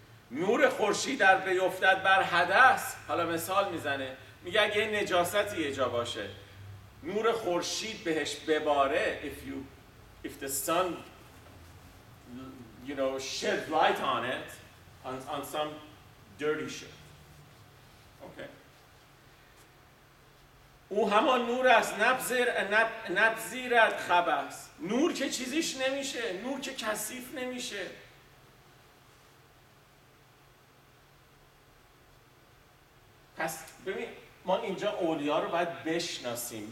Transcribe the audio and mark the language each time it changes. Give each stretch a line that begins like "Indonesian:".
Persian: نور خورشید در بیفتد بر حدث، حالا مثال میزنه، میگه اگه نجاستی یه جا باشه نور خورشید بهش بباره،
English: if the sun you know, sheds light on it, on some dirty shit. Okay.
Persian: او همان نور است، نبزیرد خبس. نور که چیزیش نمیشه، نور که کثیف نمیشه. پس ببین، ما اینجا اولیا رو باید بشناسیم.